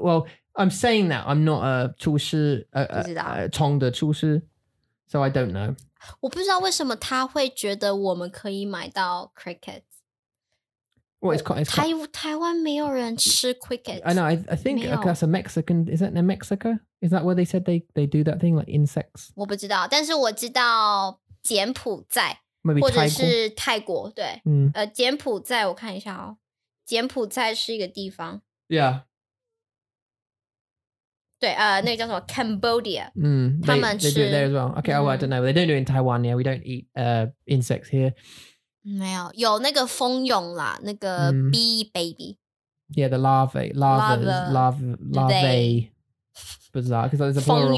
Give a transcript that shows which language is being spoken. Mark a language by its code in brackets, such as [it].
[en] Well I'm saying that I'm not a [zh] 厨师冲的厨师 [en] So I don't know [zh] 我不知道为什么他会觉得我们可以买到 cricket [en] Well it's quite [zh] 台湾没有人吃 cricket [en] I know I think that's a Mexican Is that in Mexico? Is that where they said they do that thing like insects [zh] 我不知道但是我知道柬埔寨 [en] Maybe [zh] 或者是泰国对、柬埔寨我看一下哦柬埔寨是一个地方 [en] Yeah [zh] 对那个叫什么 Cambodia、他们吃 [en] they do it there as well Okay、I don't know They don't do it in Taiwan Yeah we don't eat insects here [zh] 没有有那个蜂蛹啦那个 [en] bee baby Yeah the larvae [zh] 不知道 [en] Because there's a plural